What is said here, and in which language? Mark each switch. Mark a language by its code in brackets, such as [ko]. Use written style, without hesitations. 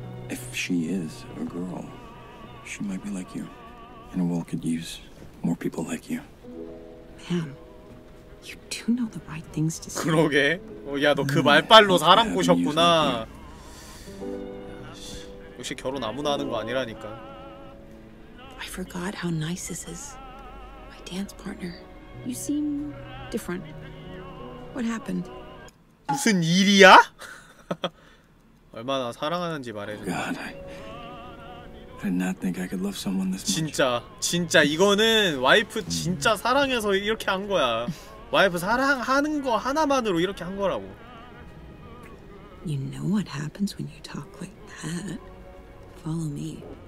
[en] If she is a girl, she might be like you. And a world could use more people like you. Ma'am, you do know the right things to say. [ko] 그러게? 어, 야, 너 그 말빨로 사람 꼬셨구나. 역시 결혼 아무나 하는 거 아니라니까. [en] I forgot how nice this is. Dance partner, you seem different. What happened? [ko] 무슨 일이야? 얼마나 사랑하는지 말해줘. [en] God, I did not think I could love someone this much. [ko] 진짜 이거는 와이프 진짜 사랑해서 이렇게 한 거야. 와이프 사랑하는 거 하나만으로 이렇게 한 거라고. [en] You know what happens when you talk like that. Follow me.